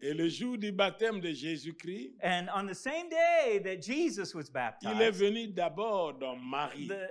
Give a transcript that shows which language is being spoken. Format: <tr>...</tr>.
<fr>Et le jour du baptême de Jésus-Christ.</fr> <en>And on the same day that Jesus was baptized.</en> <fr>Il est venu d'abord dans Marie.</fr>